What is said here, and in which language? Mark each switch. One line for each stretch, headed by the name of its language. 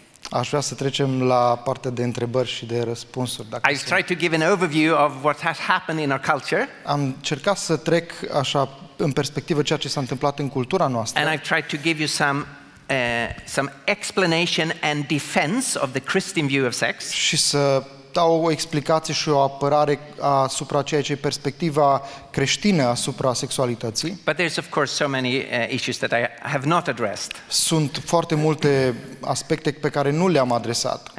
Romanian: Aș vrea să trecem la partea de întrebări și de răspunsuri, dacă
English: I've tried to give an overview of what has happened in our culture.
Romanian: Am încercat să trec așa în perspectivă ceea ce s-a întâmplat în cultura noastră.
English: And I've tried to give you some explanation and defense of the Christian view of sex.
Romanian: Și să dau o explicație și o apărare asupra ceea ce e perspectiva creștină asupra sexualității.
English: But there's of course so many issues that I have not addressed.
Romanian: Sunt foarte multe aspecte pe care nu le-am adresat.